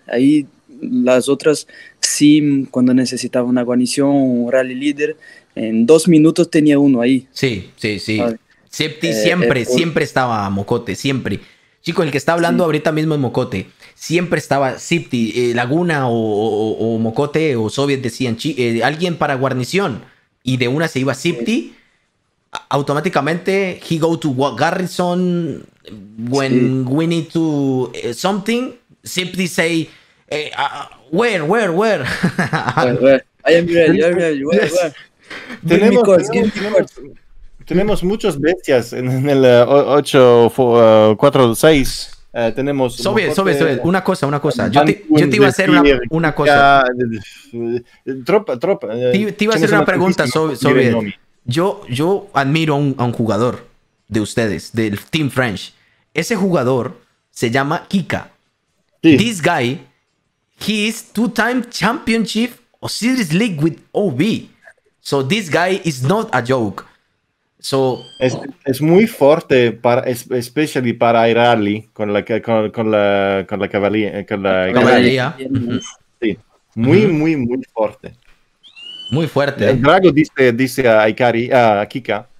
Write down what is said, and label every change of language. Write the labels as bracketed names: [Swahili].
[Spanish] Ahí las otras sim, cuando necesitaba una guarnición, un rally líder, en 2 minutos tenía uno ahí. Sí, sí, sí. Septi siempre, siempre estaba Mocote, siempre. Chico, el que está hablando ahorita mismo es Mocote. Siempre estaba Septi, Laguna o Mocote o Soviet decían, alguien para guarnición. Y de una se iba Septi. Automáticamente, [English] he go to garrison when we need to something. Simply say, where? I am ready, where? [Spanish] Tenemos muchas bestias en el 8-4-6. Tenemos. Sobe. Una cosa. Yo te iba a hacer una cosa. Tropa. Te iba a hacer una pregunta, Sobe. Yo admiro a un jugador de ustedes, del Team French. Ese jugador se llama Kika. Sí. [English] This guy, he is 2-time championship of Series League with OB. So this guy is not a joke. So [Spanish] es muy fuerte para especially para ir rally con la cavalería, cavalería. Sí. Muy fuerte. Muy fuerte. El Drago dice a Ikari, a Kika.